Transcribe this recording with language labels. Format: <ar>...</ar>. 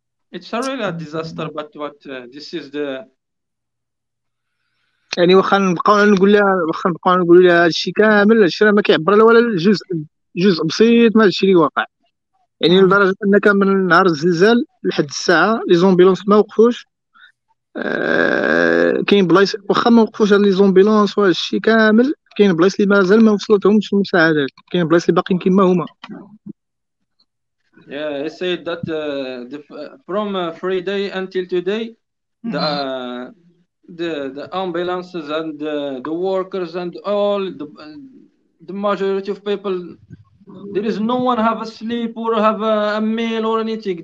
<en>It's really a disaster, but what this is the</en> <ar>يعني واخا نبقاو نقول لها واخا نبقاو نقول لها هادشي كامل هادشي راه ما كيعبر لا ولا جزء بسيط من هادشي اللي واقع يعني لدرجه انك من نهار الزلزال لحد الساعه لي زومبيلونس ما وقفوش كاين بلايص واخا ما وقفوش لي زومبيلونس وهادشي كامل كاين بلايص اللي مازال ما وصلتهمش المساعدات كاين بلايص اللي باقيين كما هما</ar> <en>Yeah, I said that from Friday until today, the ambulances and the workers and all the majority of people, there is no one have a sleep or have a meal or anything.</en>